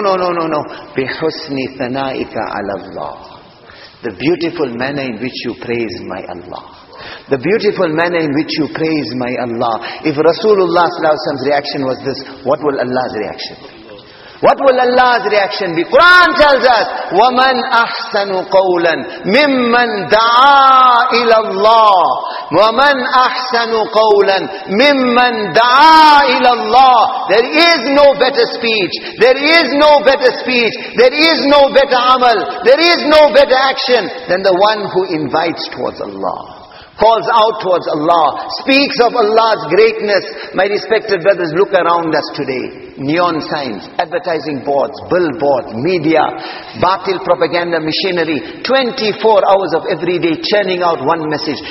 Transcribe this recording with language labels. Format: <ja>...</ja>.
<ar>Bi husni thanaika ala Allah.</ar> <en>The beautiful manner in which you praise my Allah. The beautiful manner in which you praise my Allah. If Rasulullah's reaction was this, what will Allah's reaction be? What will Allah's reaction be? Quran tells us,</en> <ar>وَمَنْ أَحْسَنُ قَوْلًا مِمَّنْ دَعَا إِلَى اللَّهِ وَمَنْ أَحْسَنُ قَوْلًا مِمَّنْ دَعَا إِلَى اللَّهِ</ar> <en>There is no better speech. There is no better speech. There is no better amal. There is no better action than the one who invites towards Allah. Calls out towards Allah, speaks of Allah's greatness. My respected brothers, look around us today. Neon signs, advertising boards, billboards, media, batil propaganda machinery, 24 hours of every day churning out one message.</en>